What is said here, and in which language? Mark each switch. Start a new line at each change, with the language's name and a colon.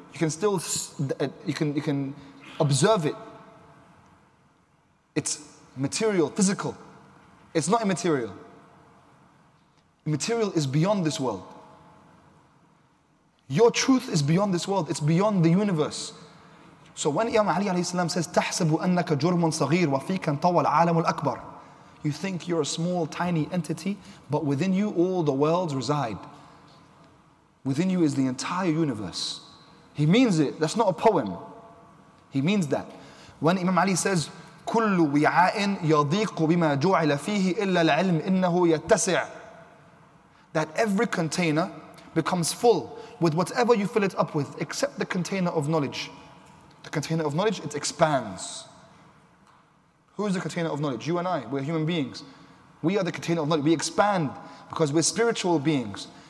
English: You can still, you can observe it. It's material, physical. It's not immaterial. Immaterial is beyond this world. Your truth is beyond this world. It's beyond the universe. So when Imam Ali alayhi salam says,
Arabic: تَحْسَبُ أَنَّكَ جُرْمٌ صَغِيرٌ وَفِيكَ انْطَوَى الْعَالَمُ الْأَكْبَرُ.
English: You think you're a small, tiny entity, but within you all the worlds reside. Within you is the entire universe. He means it. That's not a poem. He means that. When Imam Ali says,
Arabic: كُلُّ وِعَاءٍ يَضِيقُ بِمَا جُعِلَ فِيهِ إِلَّا الْعِلْمِ إِنَّهُ يَتَّسِعُ.
English: That every container becomes full with whatever you fill it up with, except the container of knowledge. The container of knowledge, it expands. Who is the container of knowledge? You and I, we're human beings. We are the container of knowledge. We expand because we're spiritual beings.